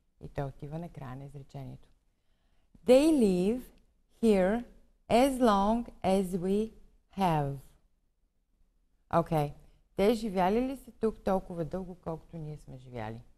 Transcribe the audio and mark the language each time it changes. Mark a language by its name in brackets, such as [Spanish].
[Bulgarian] И той отива на края на изречението. [English] They live here as long as we have. [Bulgarian] Окей. Те живяли ли са тук толкова дълго, колкото ние сме живяли?